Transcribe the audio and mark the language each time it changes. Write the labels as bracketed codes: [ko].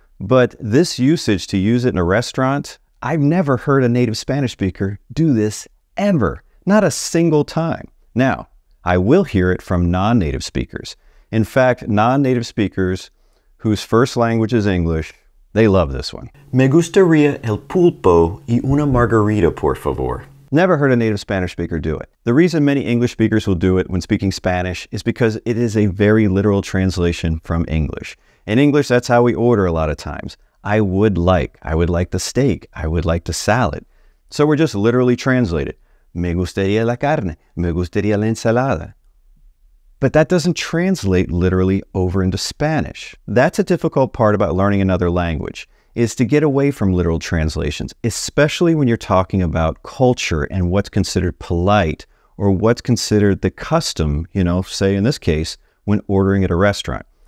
[en] But this usage to use it in a restaurant, I've never heard a native Spanish speaker do this ever. Not a single time. Now, I will hear it from non-native speakers. In fact, non-native speakers whose first language is English, they love this one. [es] Me gustaría el pulpo y una margarita, por favor. [en] Never heard a native Spanish speaker do it. The reason many English speakers will do it when speaking Spanish is because it is a very literal translation from English. In English, that's how we order a lot of times. I would like the steak, I would like the salad. So we're just literally translated. [es] Me gustaría la carne, me gustaría la ensalada. [en] But that doesn't translate literally over into Spanish. That's a difficult part about learning another language, is to get away from literal translations, especially when you're talking about culture and what's considered polite or what's considered the custom, you know, say in this case, when ordering at a restaurant.